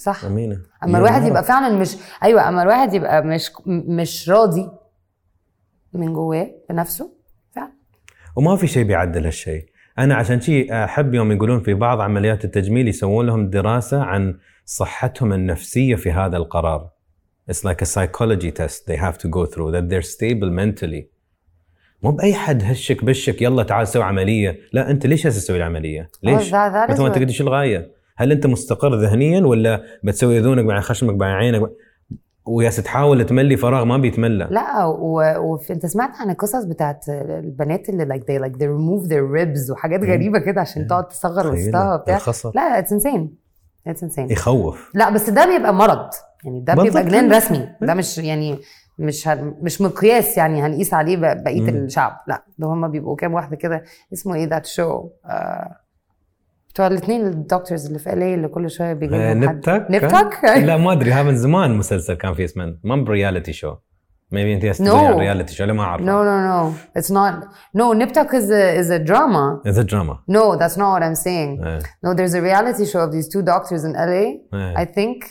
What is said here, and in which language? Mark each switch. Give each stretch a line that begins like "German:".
Arabic: صح. امينه, اما الواحد يبقى فعلا مش ايوه اما الواحد يبقى مش راضي من جواه بنفسه فعلا, وما في شيء بيعدل هالشيء. انا عشان شيء احب يوم يقولون في بعض عمليات التجميل يسوون لهم دراسه عن صحتهم النفسيه في هذا القرار.
English: It's like a psychology test they have to go through that they're stable mentally.
Arabic: مو باي حد هشك بشك يلا تعال سوي عمليه. لا انت ليش هسه تسوي العمليه؟ ليش مثل ما انت قلت, ايش الغايه؟ هل انت مستقر ذهنيا ولا بتسوي اذونك مع خشمك مع عينك وياس تحاول تملي فراغ ما بيتملى؟ لا وانت سمعت عن القصص بتاعت البنات اللي
English: like they like they remove their ribs
Arabic: وحاجات غريبه كده عشان تقعد تصغر وسطها وبتاع. لا
English: it's insane.
Arabic: يخوف. لا بس ده بيبقى مرض, يعني ده بيبقى جنان رسمي. ده مش يعني مش مقياس يعني هنقيس عليه بقيه الشعب، لا ده هما بيبقوا كام واحده كده اسمه ايه ذات شو بتوع الاثنين الدكتورز اللي في الليل اللي كل شويه بيجي لهم نبتك حد. نبتك لا ما ادري هذا من زمان مسلسل كان في اسمه مام رياليتي شو maybe انت استني رياليتي شو لا ما اعرف
English: no it's not no نبتك is a drama it's a drama no that's not what I'm saying no there's a reality show of these two doctors in LA I think